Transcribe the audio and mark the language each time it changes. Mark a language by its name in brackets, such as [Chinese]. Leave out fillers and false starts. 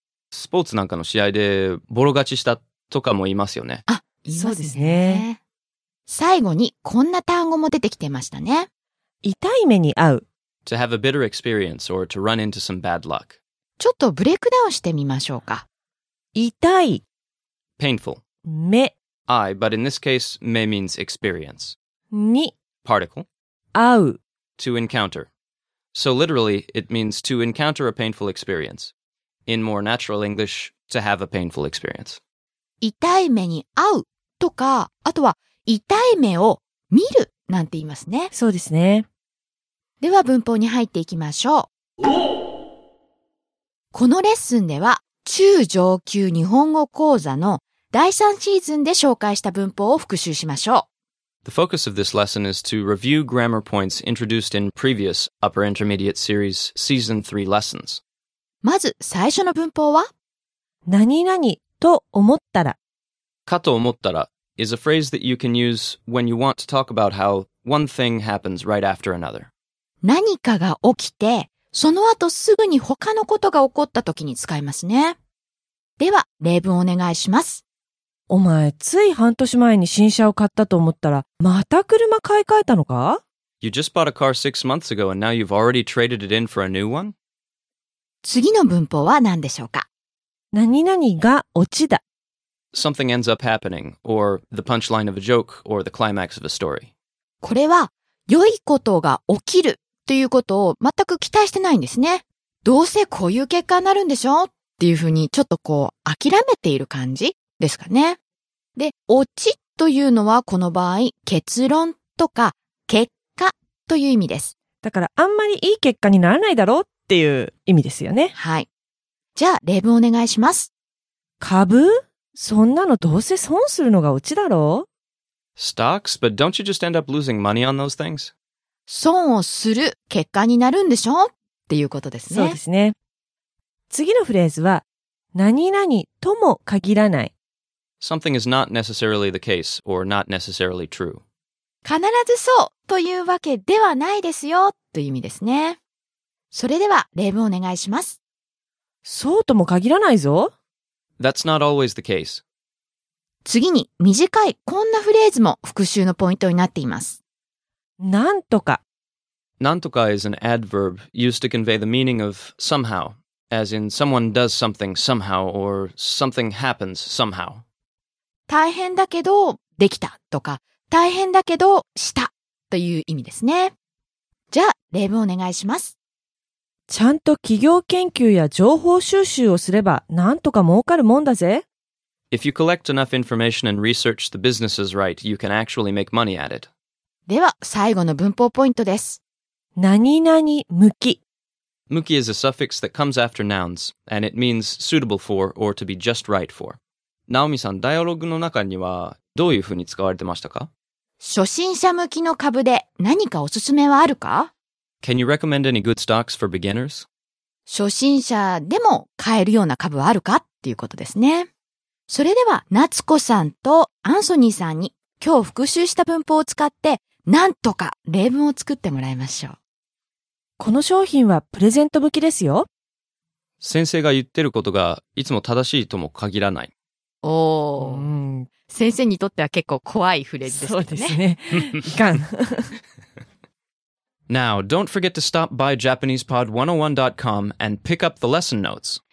[Japanese] スポーツなんかの試合でボロ勝ちしたとかも言いますよね。あ、言いますね。そうですね。最後にこんな単語も出てきてましたね。痛い目に遭う。 [English] To have a bitter experience or to run into some bad luck. [Japanese] ちょっとブレイクダウンしてみましょうか。痛い。 [English] Painful. [Japanese] 目。 [English] Eye, but in this case, 目 means experience. [Japanese] に。 [English] Particle. [Japanese] 遭う。 [English] To encounter. So literally, it means to encounter a painful experience. In more natural English, to have a painful experience. [Japanese] 痛い目に遭うとか、あとは痛い目を見るなんて言いますね。そうですね。では文法に入っていきましょう。このレッスンでは中上級日本語講座の第3シーズンで紹介した文法を復習しましょう。 [English] The focus of this lesson is to review grammar points introduced in previous Upper Intermediate Series Season 3 lessons. [Japanese] まず最初の文法は何々と思ったら。 [English] かと思ったら is a phrase that you can use when you want to talk about how one thing happens right after another. [Japanese] 何かが起きて、その後すぐに他のことが起こった時に使いますね。では例文をお願いします。お前、つい半年前に新車を買ったと思ったら、また車買い替えたのか? You just bought a car 6 months ago and now you've already traded it in for a new one? 次の文法は何でしょうか? 何々がオチだ。 [English] Something ends up happening, or the punchline of a joke, or the climax of a story. [Japanese] これは、良いことが起きるということを全く期待してないんですね。どうせこういう結果になるんでしょう?っていうふうに、ちょっとこう、諦めている感じ?ですかね。で、落ちというのはこの場合、結論とか結果という意味です。だからあんまりいい結果にならないだろうっていう意味ですよね。はい。じゃあ例文お願いします。株? そんなのどうせ損するのが落ちだろう? [English] Stocks, but don't you just end up losing money on those things? [Japanese] 損をする結果になるんでしょう? っていうことですね。そうですね。次のフレーズは、何々とも限らない。 [English] Something is not necessarily the case or not necessarily true. [Japanese] 必ずそうというわけではないですよという意味ですね。それでは例文お願いします。そうとも限らないぞ。 [English] That's not always the case. [Japanese] 次に短いこんなフレーズも復習のポイントになっています。なんとか。 [English] なんとか is an adverb used to convey the meaning of somehow, as in someone does something somehow or something happens somehow. [Japanese] 大変だけど、できたとか、大変だけど、したという意味ですね。じゃあ、例文お願いします。ちゃんと企業研究や情報収集をすれば、なんとか儲かるもんだぜ。 [English] If you collect enough information and research the businesses right, you can actually make money at it. [Japanese] では、最後の文法ポイントです。何々向き。 [English] 向き is a suffix that comes after nouns, and it means suitable for or to be just right for. [Japanese] ナオミさん、ダイアログの中にはどういうふうに使われてましたか? 初心者向きの株で何かおすすめはあるか? [English] Can you recommend any good stocks for beginners? [Japanese] 初心者でも買えるような株はあるかっていうことですね。それでは、夏子さんとアンソニーさんに今日復習した文法を使ってなんとか例文を作ってもらいましょう。この商品はプレゼント向きですよ。先生が言ってることがいつも正しいとも限らない。おー、うん、先生にとっては結構怖いフレーズですね。そうですね。いかん。 [English] Now, don't forget to stop by JapanesePod101.com and pick up the lesson notes.